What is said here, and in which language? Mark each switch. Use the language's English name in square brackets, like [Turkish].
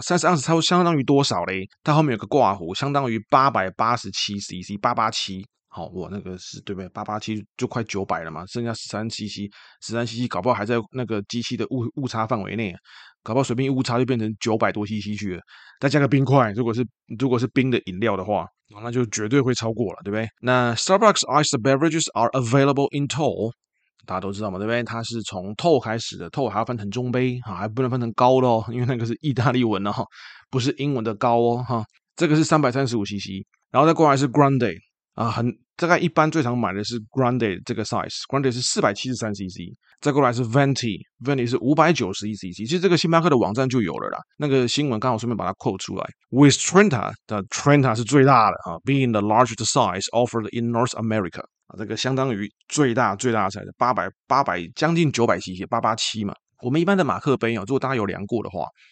[Chinese] 30盎司它相当于多少勒？它后面有个挂弧，相当于887cc，887。好，哇，那个是对不对？887就快900了嘛，剩下13cc，13cc 搞不好还在那个机器的误差范围内，搞不好随便一误差就变成900多cc 去了。再加个冰块，如果是冰的饮料的话，那就绝对会超过了，对不对？那 [English] Starbucks iced beverages are available in tall， [Chinese] 大家都知道嘛，对不对？它是从 tall 开始的，tall 还要分成中杯啊，还不能分成高的哦，因为那个是意大利文哦，不是英文的高哦，哈、啊。这个是335cc，然后再过来是 grande。啊，很大概一般最常买的是 Grande 这个 size，Grande 是 473cc， 再过来是 Venti，Venti 是 591cc， 其实这个星巴克的网站就有了啦，那个新闻刚好顺便把它 quote 出来 ，With Trenta 的 Trenta 是最大的啊 ， [English] being the largest size offered in North America， [Chinese] 啊，这个相当于最大的 size， 800将近 900cc， 887嘛，我们一般的马克杯哦，如果大家有量过的话。